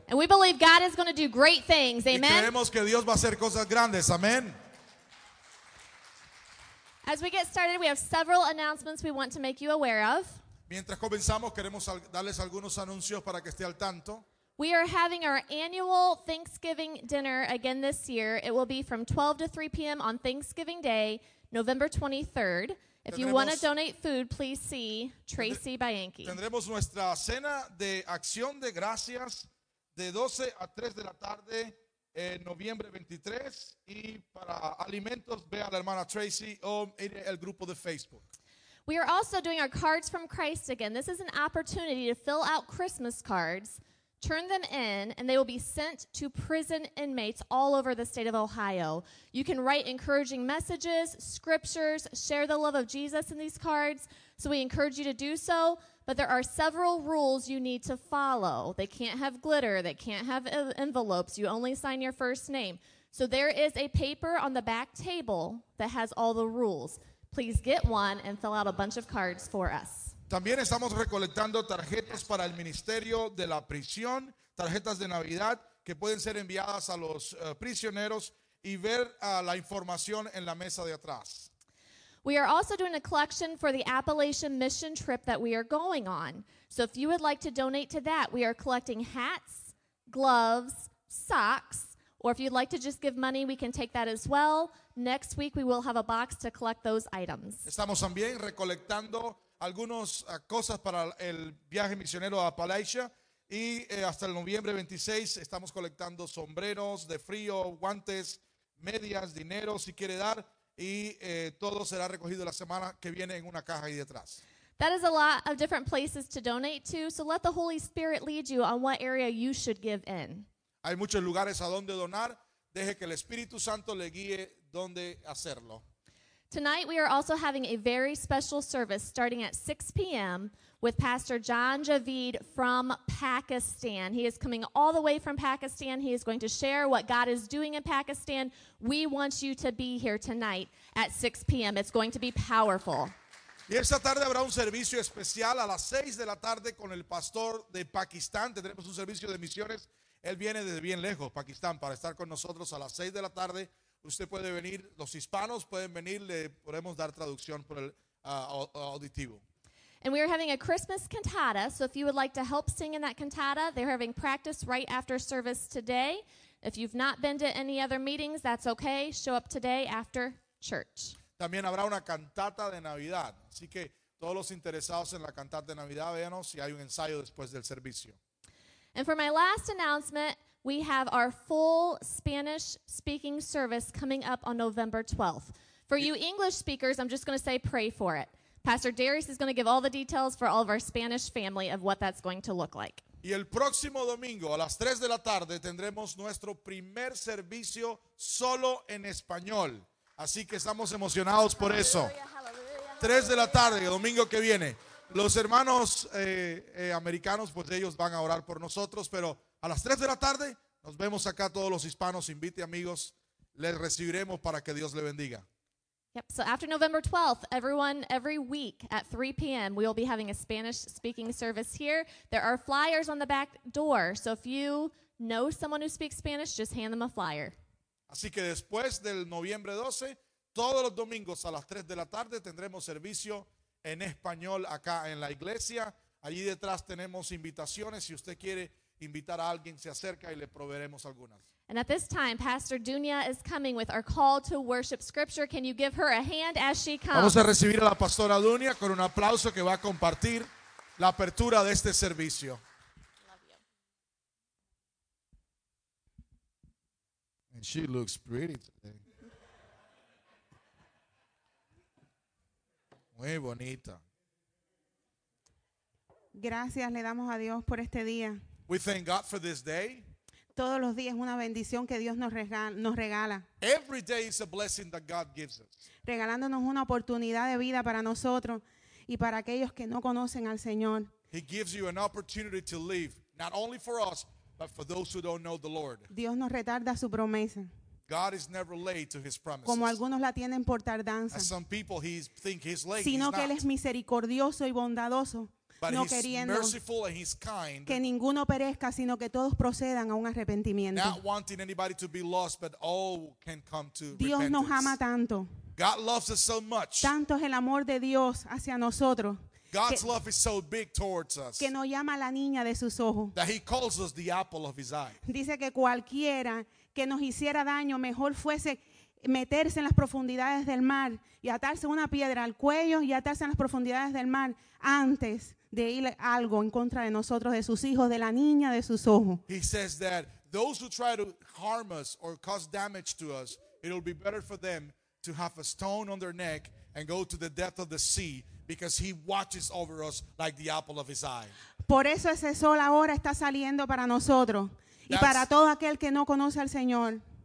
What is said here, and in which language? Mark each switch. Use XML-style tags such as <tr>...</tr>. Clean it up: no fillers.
<en>And we believe God is going to do great things. Amen.</en> <es>Y creemos que Dios va a hacer cosas grandes. Amen.</es> <en>As we get started, we have several announcements we want to make you aware of.</en> <es>Mientras comenzamos, queremos darles algunos anuncios para que esté al tanto.</es> <en>We are having our annual Thanksgiving dinner again this year. It will be from 12 to 3 p.m. on Thanksgiving Day, November 23rd. If you want to donate food, please see Tracy Bianchi.</en> <es>Tendremos nuestra cena de acción de gracias de 12 a 3 de la tarde, noviembre 23. Y para alimentos, ve a la hermana Tracy o el grupo de Facebook.</es> <en>We are also doing our Cards from Christ again. This is an opportunity to fill out Christmas cards, turn them in, and they will be sent to prison inmates all over the state of Ohio. You can write encouraging messages, scriptures, share the love of Jesus in these cards. So we encourage you to do so. But there are several rules you need to follow. They can't have glitter. They can't have envelopes. You only sign your first name. So there is a paper on the back table that has all the rules. Please get one and fill out a bunch of cards for us.</en> <es>También estamos recolectando tarjetas para el Ministerio de la Prisión, tarjetas de Navidad que pueden ser enviadas a los prisioneros y ver la información en la mesa de atrás.</es> <en>We are also doing a collection for the Appalachian mission trip that we are going on. So if you would like to donate to that, we are collecting hats, gloves, socks, or if you'd like to just give money, we can take that as well. Next week we will have a box to collect those items.</en> <es>Estamos también recolectando algunas cosas para el viaje misionero a Appalachia y hasta el noviembre 26 estamos colectando sombreros de frío, guantes, medias, dinero si quiere dar y todo será recogido la semana que viene en una caja ahí detrás.</es> <en>That is a lot of different places to donate to, so let the Holy Spirit lead you on what area you should give in.</en> <es>Hay muchos lugares a donde donar, deje que el Espíritu Santo le guíe dónde hacerlo.</es> <en>Tonight we are also having a very special service starting at 6 p.m. with Pastor John Javid from Pakistan. He is coming all the way from Pakistan. He is going to share what God is doing in Pakistan. We want you to be here tonight at 6 p.m. It's going to be powerful.</en> <es>Y esta tarde habrá un servicio especial a las 6 de la tarde con el pastor de Pakistán. Tendremos un servicio de misiones. Él viene desde bien lejos, Pakistán, para estar con nosotros a las 6 de la tarde. Usted puede venir, los hispanos pueden venir, le podemos dar traducción por el auditivo.</es> <en>And we are having a Christmas cantata, so if you would like to help sing in that cantata, they're having practice right after service today. If you've not been to any other meetings, that's okay, show up today after church.</en> <es>También habrá una cantata de Navidad, así que todos los interesados en la cantata de Navidad, véanos si hay un ensayo después del servicio.</es> <en>And for my last announcement, we have our full Spanish-speaking service coming up on November 12th. For you English speakers, I'm just going to say pray for it. Pastor Darius is going to give all the details for all of our Spanish family of what that's going to look like.</en> <es>Y el próximo domingo a las 3 de la tarde tendremos nuestro primer servicio solo en español. Así que estamos emocionados por eso. Hallelujah. 3 de la tarde, el domingo que viene. Los hermanos americanos, pues ellos van a orar por nosotros, pero a las 3 de la tarde, nos vemos acá todos los hispanos, invite amigos, les recibiremos para que Dios le bendiga.</es> <en>Yep, so after November 12th, everyone, every week at 3 p.m., we will be having a Spanish-speaking service here. There are flyers on the back door, so if you know someone who speaks Spanish, just hand them a flyer.</en> <es>Así que después del noviembre 12, todos los domingos a las 3 de la tarde, tendremos servicio en español acá en la iglesia. Allí detrás tenemos invitaciones, si usted quiere invitar a alguien, se acerca y le proveeremos algunas.</es> <en>And at this time, Pastor Dunia is coming with our call to worship scripture. Can you give her a hand as she comes?</en> <es>Vamos a recibir a la pastora Dunia con un aplauso que va a compartir la apertura de este servicio.</es> <en>Love you. And she looks pretty today.</en> <es>Muy bonita. Gracias, le damos a Dios por este día.</es> <en>We thank God for this day.</en> <es>Todos los días una bendición que Dios nos regala.</es> <en>Every day is a blessing that God gives us.</en> <es>Regalándonos una oportunidad de vida para nosotros y para aquellos que no conocen al Señor.</es> <en>He gives you an opportunity to live, not only for us, But for those who don't know the Lord,</en> <es>Dios nos retarda su promesa.</es> <en>God is never late to his promises.</en> <es>Como algunos la tienen por tardanza.</es> <en>As some people think he's late.</en> <es>Sino</es> <en>he's</en> <es>que</es> <en>not.</en> <es>Él es misericordioso y bondadoso.</es> <en>But</en> <es>no</es> <en>he's</en> <es>queriendo</es> <en>merciful and he's kind.</en> <es>Que ninguno perezca, sino que todos procedan a un arrepentimiento.</es> <en>Not wanting anybody to be lost, but all can come to</en> <es>Dios</es> <en>repentance.</en> <es>Dios nos ama tanto.</es> <en>God loves us so much.</en> <es>Tanto es el amor de Dios hacia nosotros.</es> <en>God's love is so big towards us.</en> <es>Que nos llama la niña de sus ojos.</es> <en>That he calls us the apple of his eye.</en> <es>Dice que cualquiera que nos hiciera daño, mejor fuese meterse en las profundidades del mar y atarse una piedra al cuello y atarse en las profundidades del mar antes de ir algo en contra de nosotros, de sus hijos, de la niña de sus ojos.</es> <en>He says that those who try to harm us or cause damage to us, it'll be better for them to have a stone on their neck and go to the depth of the sea, because he watches over us like the apple of his eye.</en> <es>Por eso ese sol ahora está saliendo para nosotros y para todo aquel que no conoce al Señor.</es>